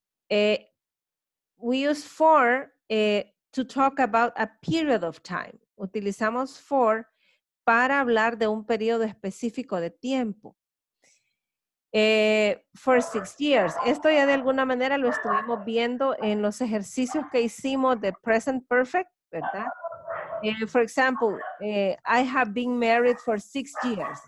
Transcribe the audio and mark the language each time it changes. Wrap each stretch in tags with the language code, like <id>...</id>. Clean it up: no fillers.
<en>We use for to talk about a period of time.</en> <es>Utilizamos for para hablar de un periodo específico de tiempo.</es> <en>For 6 years.</en> <es>Esto ya de alguna manera lo estuvimos viendo en los ejercicios que hicimos de present perfect, ¿verdad?</es> <en>For example, I have been married for 6 years.</en>